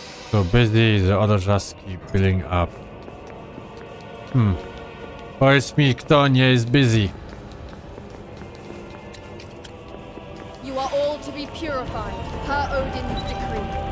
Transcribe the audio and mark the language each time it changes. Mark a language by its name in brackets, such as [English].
[English] So busy, the others just keep filling up. [Polish] Powiedz mi, kto nie jest busy? [English] You are all to be purified, per Odin's decree.